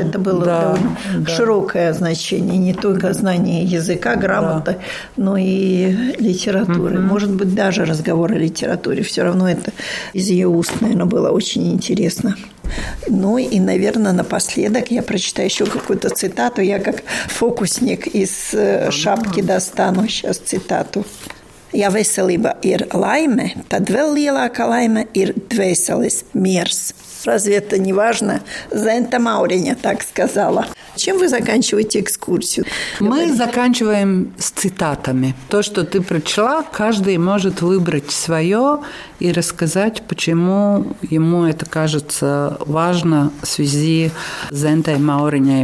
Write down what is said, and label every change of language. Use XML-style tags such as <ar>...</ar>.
<ru>это было довольно широкое значение. Не только знание языка, грамоты, но и литературы. Может быть, даже разговор о литературе. Все равно это из ее уст, наверное, было очень интересно. Ну и, наверное, напоследок я прочитаю еще какую-то цитату. Я как фокусник из шапки достану сейчас цитату.</ru> <lv>Ja veselība ir laime, tad vēl lielākā laime ir dvēseles miers.</lv> <ru>Разве это не важно? Зента Мауриня так сказала. Чем вы заканчиваете экскурсию? Мы заканчиваем с цитатами. То, что ты прочла, каждый может выбрать свое и рассказать, почему ему это кажется важно в связи с Зентой Мауриней.</ru>